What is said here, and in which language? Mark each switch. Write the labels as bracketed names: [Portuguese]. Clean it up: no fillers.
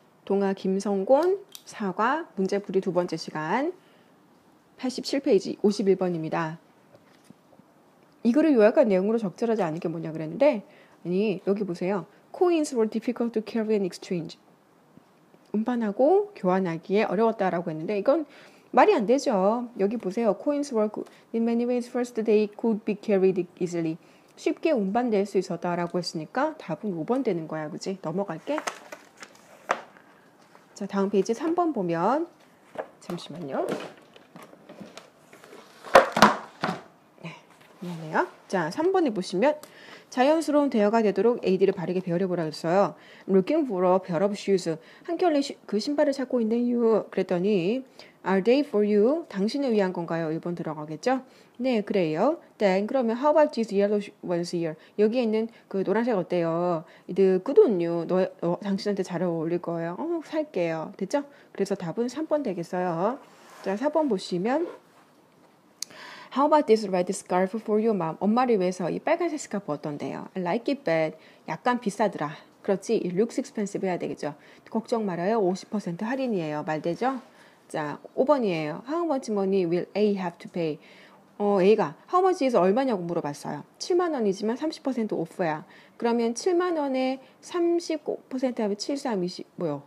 [Korean] 동화 김성곤 사과 문제풀이 두 번째 시간 87페이지 51번입니다. 이 글을 요약한 내용으로 적절하지 않은 게 뭐냐 그랬는데 아니 여기 보세요. [English] Coins were difficult to carry in exchange. [Korean] 운반하고 교환하기에 어려웠다라고 했는데 이건 말이 안 되죠. 여기 보세요. [English] Coins were good. In many ways first they could be carried easily. [Korean] 쉽게 운반될 수 있었다라고 했으니까 답은 5번 되는 거야. 그치? 넘어갈게. 자, 다음 페이지 3번 보면 잠시만요. 네, 미안해요. 자, 3번에 보시면 자연스러운 대화가 되도록 AD를 바르게 배려보라 했어요. [English] Looking for a pair of shoes. [Korean] 한켤레 그 신발을 찾고 있네요. 그랬더니 [English] Are they for you? [Korean] 당신을 위한 건가요? 1번 들어가겠죠? 네, 그래요. [English] Then, [Korean] 그러면 [English] How about these yellow ones here? [Korean] 여기에 있는 그 노란색 어때요? [English] The good one you. [Korean] 당신한테 잘 어울릴 거예요. 어, 살게요. 됐죠? 그래서 답은 3번 되겠어요. 자, 4번 보시면 [English] How about this red scarf for you, mom? [Korean] 엄마를 위해서 이 빨간색 스카프 어떤데요? [English] I like it, but [Korean] 약간 비싸더라. 그렇지, [English] it looks expensive [Korean] 해야 되겠죠. 걱정 말아요, 50% 할인이에요. 말 되죠? 자, 5번이에요. [English] How much money will A have to pay? [Korean] 어, A가 [English] How much is [Korean] 얼마냐고 물어봤어요. 7만 원이지만 30% off야. 그러면 7만 원에 35% 하면 7, 3, 20, 뭐요?